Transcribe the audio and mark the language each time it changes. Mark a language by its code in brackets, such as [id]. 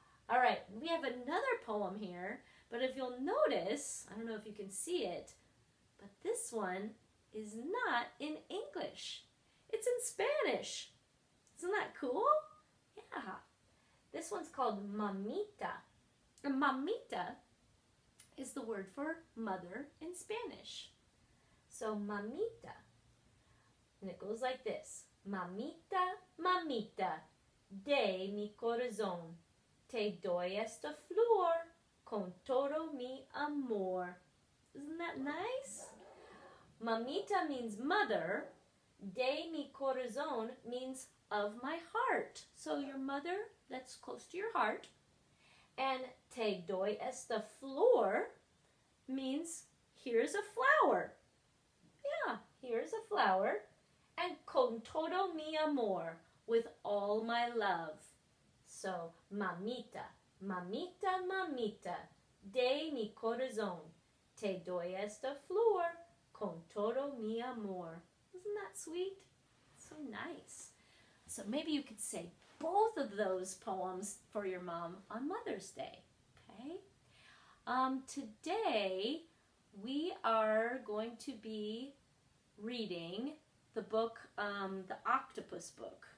[en] All right, we have another poem here. But if you'll notice, I don't know if you can see it, but this one is not in English. It's in Spanish. Isn't that cool? Yeah. This one's called Mamita. And Mamita is the word for mother in Spanish. So Mamita. And it goes like this. [es] Mamita, mamita, de mi corazón, te doy esta flor. Con todo mi amor. [en] Isn't that nice? Mamita means mother. [es] De mi corazón [en] means of my heart. So your mother, that's close to your heart. And [es] te doy esta flor [en] means here's a flower. Yeah, here's a flower. And [es] con todo mi amor, [en] with all my love. So mamita. [es] Mamita, mamita, de mi corazón, te doy esta flor con todo mi amor. [en] Isn't that sweet? So nice. So maybe you could say both of those poems for your mom on Mother's Day, okay? Today, we are going to be reading the book, the octopus book.